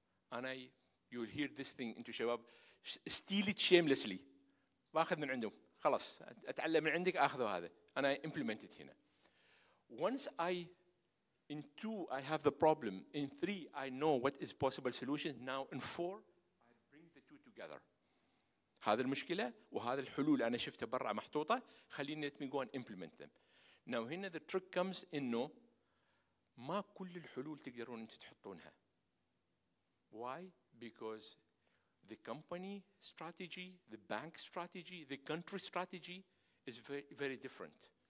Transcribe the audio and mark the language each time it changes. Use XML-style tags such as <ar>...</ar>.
<en>And I, you'll hear this thing into</en> <ar>شباب,</ar> <en>steal it shamelessly.</en> <ar>باخذ من عندهم. خلاص. أتعلم من عندك أخذوا هذا.</ar> <en>And I implement it here. Once I, in two, I have the problem. In three, I know what is possible solution. Now in four, I bring the two together.</en> <ar>هذا المشكلة وهذا الحلول أنا شفته برا محطوطة. خليني</ar> <en>let me go and implement them.</en> <ar>Now هنا</ar> <en>the trick comes in no,</en> <ar>ما كل الحلول تقدرون أنت تحطونها.</ar> <en>Why? Because the company strategy, the bank strategy, the country strategy is very, very different.</en>